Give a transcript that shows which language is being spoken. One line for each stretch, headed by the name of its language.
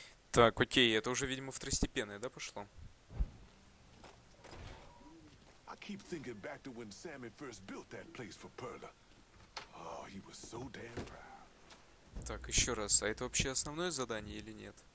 Russian: Так, окей, это уже, видимо, второстепенное, да, пошло?
English: keep thinking back to when Sammy first built that place for Perla. Oh, he was so damn proud.
Russian: Так, еще раз, а это вообще основное задание или нет?